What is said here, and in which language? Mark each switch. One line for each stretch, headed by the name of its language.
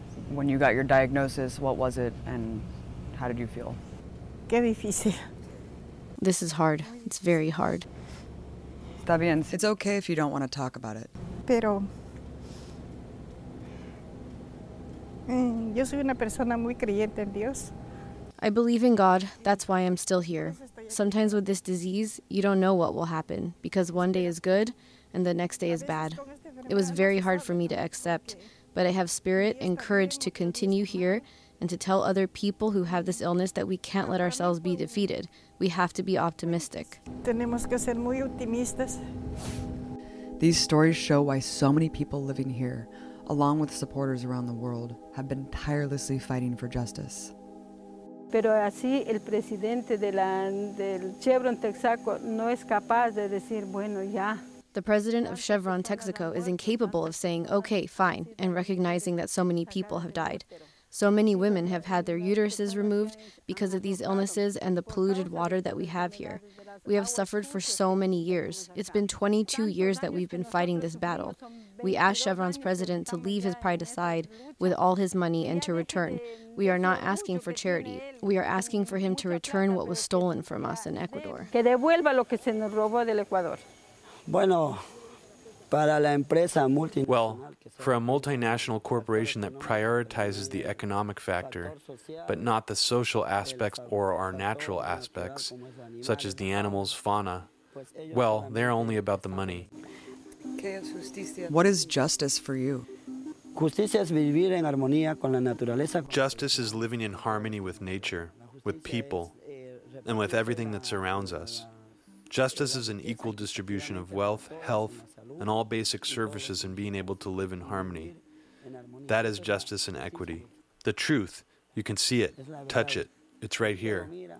English: When you got your diagnosis, what was it, and how did you feel? This is hard. It's very hard. It's okay if you don't want to talk about it.
Spanish: Pero yo soy una persona muy creyente en Dios.
English: I believe in God. That's why I'm still here. Sometimes with this disease, you don't know what will happen, because one day is good and the next day is bad. It was very hard for me to accept, but I have spirit and courage to continue here and to tell other people who have this illness that we can't let ourselves be defeated. We have to be optimistic.
Spanish: Tenemos que ser muy optimistas.
English: These stories show why so many people living here, along with supporters around the world, have been tirelessly fighting for justice.
Spanish: Pero así el presidente de la del Chevron Texaco no es capaz de decir bueno ya.
English: The president of Chevron Texaco is incapable of saying okay, fine, and recognizing that so many people have died. So many women have had their uteruses removed because of these illnesses and the polluted water that we have here. We have suffered for so many years. It's been 22 years that we've been fighting this battle. We asked Chevron's president to leave his pride aside with all his money and to return. We are not asking for charity. We are asking for him to return what was stolen from us in Ecuador.
Spanish: Que devuelva lo que se nos robó del Ecuador. Bueno.
English: Well, for a multinational corporation that prioritizes the economic factor, but not the social aspects or our natural aspects, such as the animals, fauna, well, they're only about the money. What is justice for you?
Spanish: Justicia es vivir en armonía con la naturaleza.
English: Justice is living in harmony with nature. with people, and with everything that surrounds us. Justice is an equal distribution of wealth, health, and all basic services and being able to live in harmony. That is justice and equity. The truth, you can see it, touch it, it's right here.